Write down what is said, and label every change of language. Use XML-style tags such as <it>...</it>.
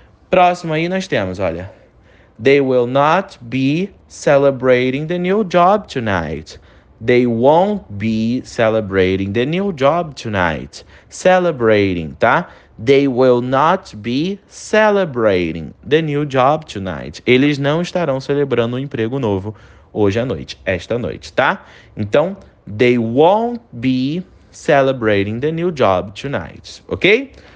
<pt>Próximo aí nós temos, olha.</pt> <en>They will not be celebrating the new job tonight. They won't be celebrating the new job tonight. Celebrating, tá? They will not be celebrating the new job tonight.</en> <pt>Eles não estarão celebrando um emprego novo hoje à noite, esta noite, tá? Então,</pt> <en>they won't be celebrating the new job tonight, ok?</en>